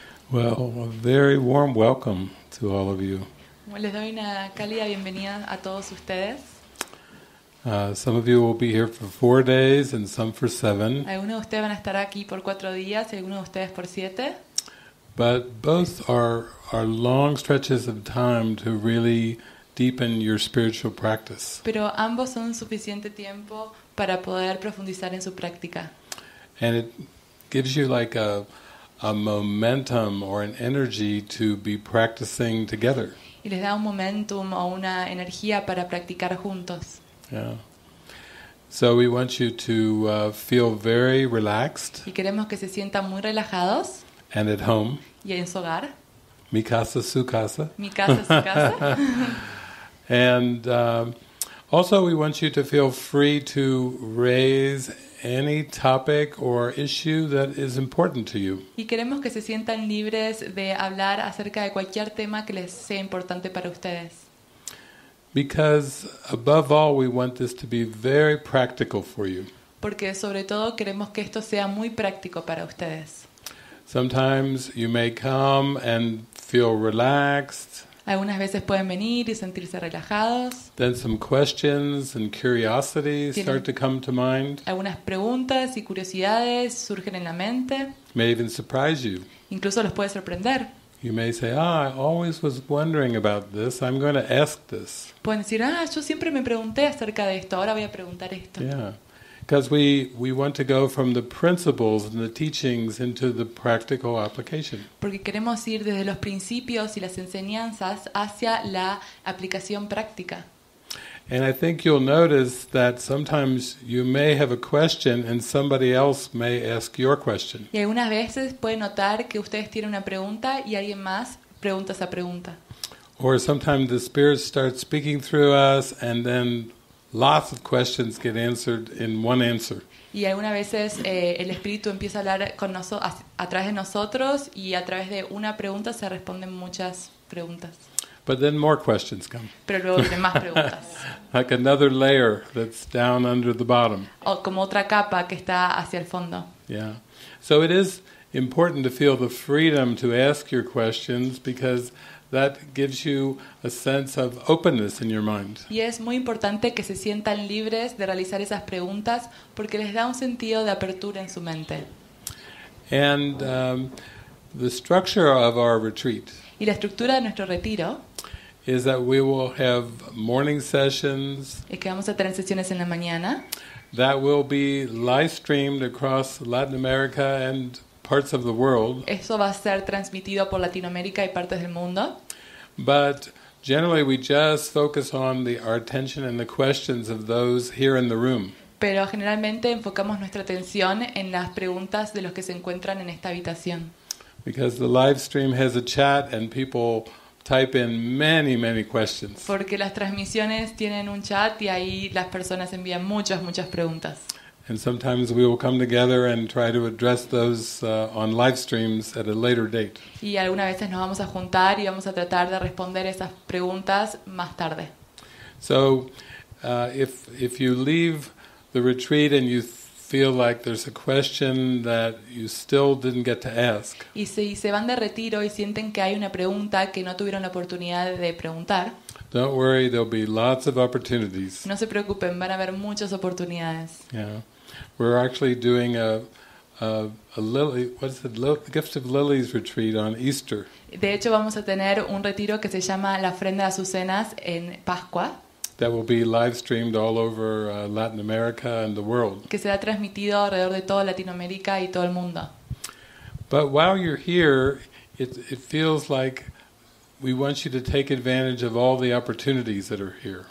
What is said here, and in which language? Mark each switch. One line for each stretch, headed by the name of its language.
English: Well, a very warm welcome to all of you.
Spanish: Les doy una cálida bienvenida a todos ustedes.
English: Some of you will be here for 4 days and some for 7.
Spanish: Algunos de ustedes van a estar aquí por 4 días y algunos de ustedes por 7.
English: But both are long stretches of time to really deepen your spiritual practice.
Spanish: Pero ambos son suficiente tiempo para poder profundizar en su práctica.
English: And it gives you like a momentum or an energy to be practicing together.
Spanish: Y les da un momentum o una energía para practicar juntos.
English: Yeah. So we want you to feel very relaxed.
Spanish: Y queremos que se sientan muy relajados.
English: And at home.
Spanish: Y en su hogar. Mi casa, su casa. Mi casa, su casa.
English: And also, we want you to feel free to raise any topic or issue that is important to you.
Spanish: Y queremos que se sientan libres de hablar acerca de cualquier tema que les sea importante para ustedes.
English: Because above all, we want this to be very practical for you.
Spanish: Porque sobre todo queremos que esto sea muy práctico para ustedes.
English: Sometimes you may come and feel relaxed.
Spanish: Algunas veces pueden venir y sentirse relajados.
English: Then some questions and curiosity start to come to mind.
Spanish: Algunas preguntas y curiosidades surgen en la mente.
English: May even surprise you.
Spanish: Incluso los puede sorprender.
English: You may say, "Ah, I always was wondering about this. I'm going to ask this."
Spanish: Pueden decir, "Ah, yo siempre me pregunté acerca de esto. Ahora voy a preguntar esto."
English: Yeah. Because we want to go from the principles and the teachings into the practical application.
Spanish: Porque queremos ir desde los principios y las enseñanzas hacia la aplicación práctica.
English: And I think you'll notice that sometimes you may have a question and somebody else may ask your question.
Spanish: Y algunas veces puede notar que ustedes tienen una pregunta y alguien más pregunta esa pregunta.
English: Or sometimes the spirit starts speaking through us and then lots of questions get answered in one answer.
Spanish: Y algunas veces el espíritu empieza a hablar con nosotros a través de nosotros y a través de una pregunta se responden muchas preguntas.
English: But then more questions come.
Spanish: Pero luego vienen más preguntas.
English: Like another layer that's down under the bottom.
Spanish: O como otra capa que está hacia el fondo.
English: Yeah. So it is important to feel the freedom to ask your questions because that gives you a sense of openness in your mind.
Spanish: Y es muy importante que se sientan libres de realizar esas preguntas porque les da un sentido de apertura en su mente.
English: And the structure of our retreat.
Spanish: Y la estructura de nuestro retiro
English: is that we will have morning sessions.
Spanish: Es que vamos a tener sesiones en la mañana.
English: That will be live streamed across Latin America and parts of the world.
Spanish: Eso va a ser transmitido por Latinoamérica y partes del mundo.
English: But generally we just focus on our attention and the questions of those here in the room.
Spanish: Pero generalmente enfocamos nuestra atención en las preguntas de los que se encuentran en esta habitación.
English: Because the live stream has a chat and people type in many, many questions.
Spanish: Porque las transmisiones tienen un chat y ahí las personas envían muchas, muchas preguntas.
English: And sometimes we will come together and try to address those on live streams at a later date.
Spanish: Y algunas veces nos vamos a juntar y vamos a tratar de responder esas preguntas más tarde.
English: So, if you leave the retreat and you feel like there's a question that you still didn't get to ask.
Spanish: Y si se van de retiro y sienten que hay una pregunta que no tuvieron la oportunidad de preguntar.
English: Don't worry, there'll be lots of opportunities.
Spanish: No se preocupen, van a haber muchas oportunidades.
English: Yeah. We're actually doing a lily, what is it? The Gift of Lilies retreat on Easter.
Spanish: De hecho, vamos a tener un retiro que se llama la ofrenda de azucenas en Pascua.
English: That will be live streamed all over Latin America and the world.
Spanish: Que será transmitido alrededor de toda Latinoamérica y todo el mundo.
English: But while you're here, it feels like we want you to take advantage of all the opportunities that are here.